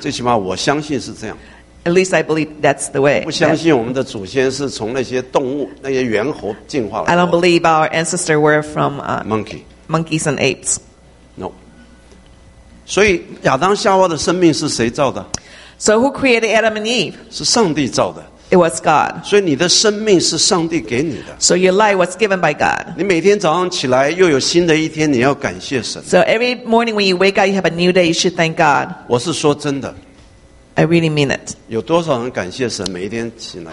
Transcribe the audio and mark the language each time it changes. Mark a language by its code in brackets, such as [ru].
[zh] 最起码我相信是这样。 [en] At least I believe that's the way. [zh] 不相信我们的祖先是从那些动物、那些猿猴进化来的。 [en] I don't believe our ancestors were from monkeys and apes. No. [zh] 所以亚当夏娃的生命是谁造的？ [en] So who created Adam and Eve? [zh] 是上帝造的。 [en] It was God. [zh] 所以你的生命是上帝给你的。 [en] So your life was given by God. [zh] 你每天早上起来又有新的一天，你要感谢神。 [en] So every morning when you wake up, you have a new day. You should thank God. [zh] 我是说真的。 [en] I really mean it. [zh] 有多少人感谢神每一天起来